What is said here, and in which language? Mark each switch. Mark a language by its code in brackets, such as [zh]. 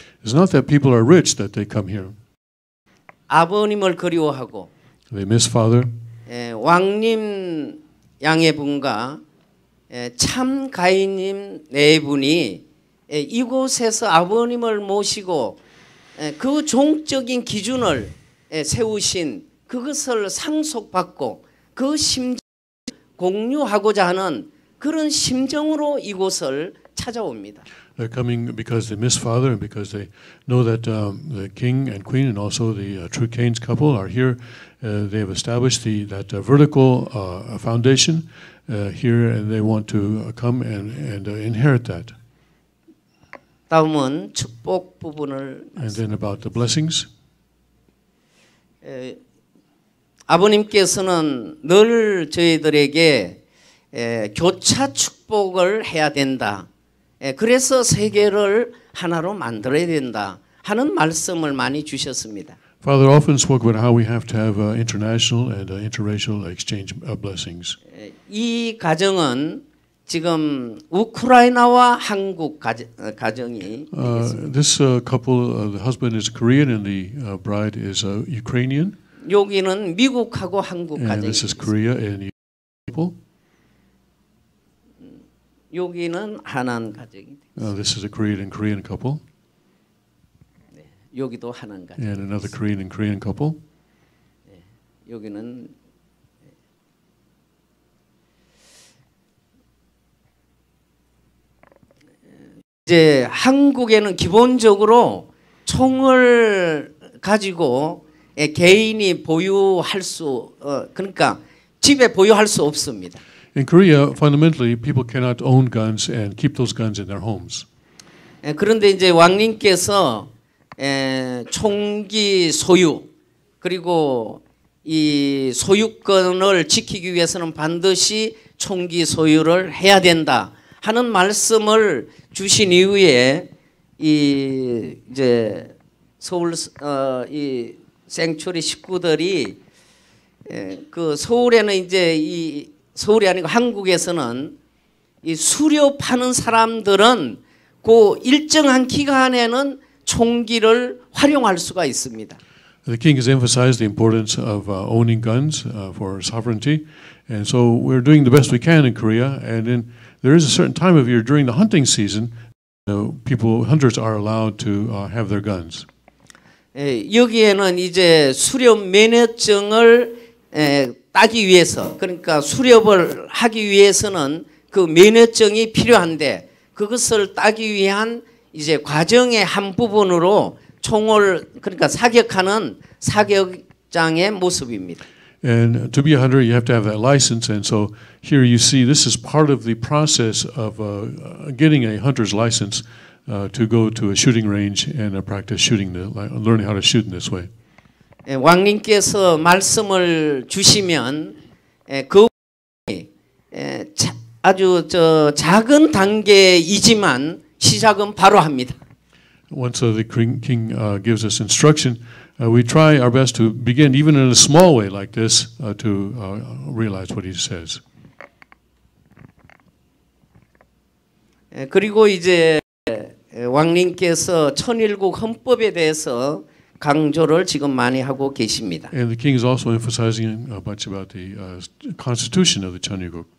[en] It's not that people are rich that they come here. [ko] 아버님을 그리워하고. [en] They miss father. [ko] 왕님 양해분과 참 가인님 네 분이 이곳에서 아버님을 모시고 그 종적인 기준을 세우신 그것을 상속받고 그 심정을 공유하고자 하는 그런 심정으로 이곳을 찾아옵니다. [en] They're coming because they miss father and because they know that the king and queen and also the true Cain's couple are here. They have established that vertical foundation here and they want to come and inherit that. [ko] 다음은 축복 부분을 [en] And then about the blessings. [ko] 아버님께서는 늘 저희들에게 교차 축복을 해야 된다. 그래서 세계를 하나로 만들어야 된다 하는 말씀을 많이 주셨습니다. [en] Father often spoke about how we have to have international and interracial exchange blessings. [ko] 이 가정은 지금 우크라이나와 한국 가정이 [en] This couple, the husband is Korean and the bride is Ukrainian. [ko] 여기는 미국하고 한국 가정. [en] And this is Korea and people. [ko] 여기는 한한 가정이. [en] This is a Korean and Korean couple. [ko] 여기도 한한 가정. [en] And another Korean and Korean couple. [ko] 여기는 이제 한국에는 기본적으로 총을 가지고 개인이 보유할 수 그러니까 집에 보유할 수 없습니다. [en] In Korea, fundamentally, people cannot own guns and keep those guns in their homes. [ko] 그런데 이제 왕님께서 총기 소유 그리고 이 소유권을 지키기 위해서는 반드시 총기 소유를 해야 된다 하는 말씀을 주신 이후에 이 이제 서울 이 생츄리 식구들이 그 서울에는 이제 이 서울이 아니고 한국에서는 이 수료 파는 사람들은 그 일정한 기간에는 총기를 활용할 수가 있습니다. [en] The king has emphasized the importance of owning guns for sovereignty, and so we're doing the best we can in Korea. And then there is a certain time of year during the hunting season, people, hunters are allowed to have their guns. [ko] 여기에는 이제 수료 면허증을 따기 위해서, 그러니까 수렵을 하기 위해서는 그 면허증이 필요한데 그것을 따기 위한 이제 과정의 한 부분으로 총을 그러니까 사격하는 사격장의 모습입니다. [en] And to be a hunter, you have to have that license. And so here you see this is part of the process of getting a hunter's license to go to a shooting range and practice shooting, learning how to shoot in this way. [ko] 왕님께서 말씀을 주시면 그 아주 저 작은 단계이지만 시작은 바로 합니다. [en] Once the king gives us instruction, we try our best to begin even in a small way like this to realize what he says. [ko] 그리고 이제 왕님께서 천일국 헌법에 대해서 강조를 지금 많이 하고 계십니다. [en] And the king is also emphasizing much about the constitution of the 천일국.